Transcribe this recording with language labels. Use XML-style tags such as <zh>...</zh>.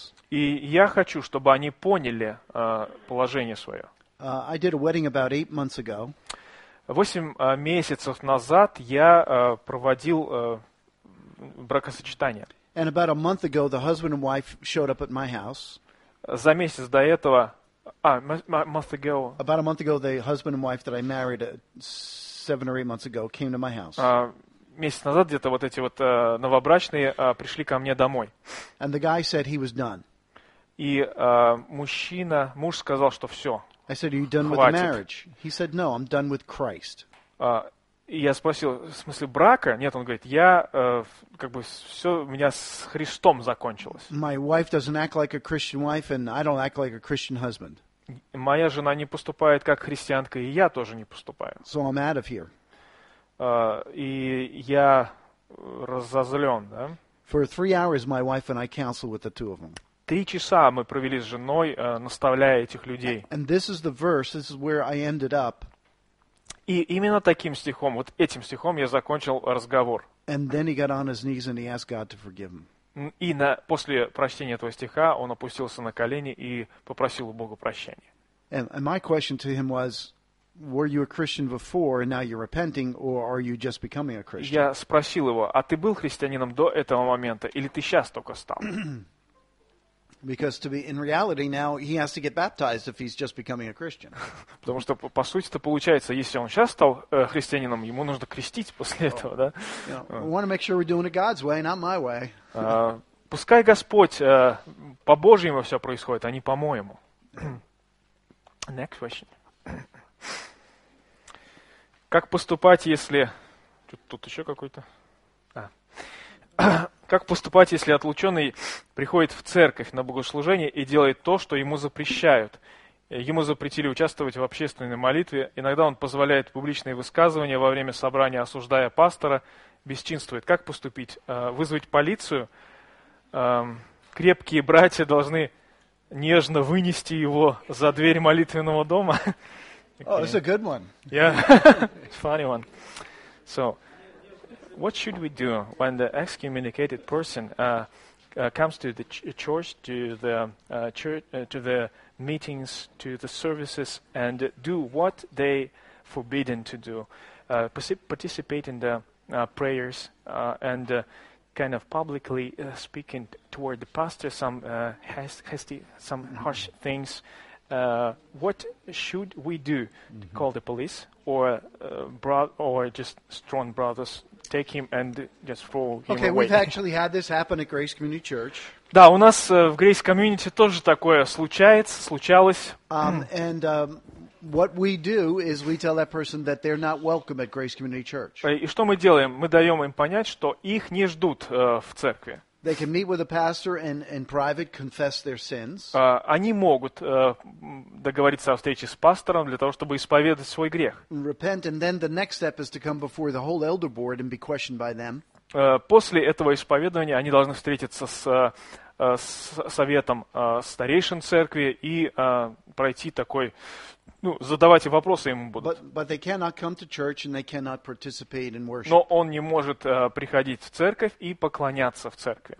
<ru>И я хочу, чтобы они поняли положение свое.</ru> <en>I did a wedding about 8 months ago.</en> <ru>8 месяцев назад я проводил бракосочетание.</ru> <en>And about a month ago, the husband and wife showed up at my house.</en> <ru>За месяц до этого,</ru> <en>month ago. About a month ago, the husband and wife that I married 7 or 8 months ago came to my house.</en> <ru>Месяц назад где-то вот эти вот новобрачные пришли ко мне домой.</ru> <en>And the guy said he was done.</en> <ru>И муж сказал, что все.</ru> <en>I said, "Are you done</en> <ru>Хватит.</ru> <en>With the marriage?" He said, "No, I'm done with Christ."</en> <ru>Я спросил, в смысле брака? Нет, он говорит, я как бы все у меня с Христом закончилось.</ru> <en>My wife doesn't act like a Christian wife, and I don't act like a Christian husband.</en> <ru>Моя жена не поступает как христианка, и я тоже не поступаю.</ru> <en>So I'm out of here.</en> <ru>И я разозлен, да?</ru> <en>For 3 hours, my wife and I counseled with the two of them.</en> <ru>3 часа мы провели с женой, наставляя этих людей.</ru> <en>And this is the verse, this is where I ended up.</en> <ru>И именно таким стихом, вот этим стихом я закончил разговор.</ru> <en>And then he got on his knees and he asked God to forgive him.</en> <ru>И после прочтения этого стиха он опустился на колени и попросил у Бога прощения.</ru> <en>And my question to him was, were you a Christian before and now you're repenting, or are you just becoming a Christian?</en> <ru>Я спросил его: а ты был христианином до этого момента, или ты сейчас только стал?</ru> <en>Because to be in reality now he has to get baptized if he's just becoming a Christian.</en> <ru>Потому что по сути это получается, если он сейчас стал христианином, ему нужно крестить после этого, да?</ru> <en>I want to make sure we're doing it God's way, not my way.</en> <ru>Пускай Господь по Божьему все происходит, а не по моему.</ru> <en>Next question.</en> <ru>Как поступать, если тут еще какой-то? Как поступать, если отлученный приходит в церковь на богослужение и делает то, что ему запрещают? Ему запретили участвовать в общественной молитве. Иногда он позволяет публичные высказывания во время собрания, осуждая пастора, бесчинствует. Как поступить? Вызвать полицию? Крепкие братья должны нежно вынести его за дверь молитвенного дома?</ru> <en>Oh, it's a good one. Yeah, it's a funny one. So, what should we do when the excommunicated person comes to the church, to the church, to the meetings, to the services, and do what they forbidden to do, participate in the prayers, and kind of publicly speaking toward the pastor some hasty, some harsh things? What should we do? Mm-hmm. Call the police, or just strong brothers? Take him and just throw him okay, Okay, we've actually had this happen at Grace Community Church.</en> <ru>Да, у нас в Grace Community тоже такое случается, случалось.</ru> <en>And what we do is we tell that person that they're not welcome at Grace Community Church.</en> <ru>И что мы делаем? Мы даем им понять, что их не ждут в церкви.</ru> <en>They can meet with a pastor and in private confess their sins.</en> <ru>Они могут договориться о встрече с пастором для того, чтобы исповедать свой грех.</ru> <en>Repent, and then the next step is to come before the whole elder board and be questioned by them.</en> <ru>После этого исповедания они должны встретиться с советом старейшин церкви и пройти такой, ну, задавайте вопросы ему будут.</ru> <en>But they cannot come to church and they cannot participate in worship.</en> <ru>Но он не может приходить в церковь и поклоняться в церкви.</ru>